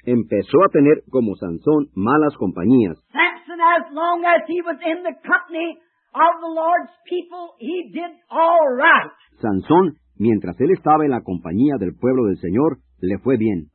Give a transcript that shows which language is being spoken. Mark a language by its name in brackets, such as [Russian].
[Spanish] Empezó a tener como Sansón malas compañías. [English] Samson, as long as he was in the company of the Lord's people, he did all right. [Spanish] Sansón, mientras él estaba en la compañía del pueblo del Señor, le fue bien.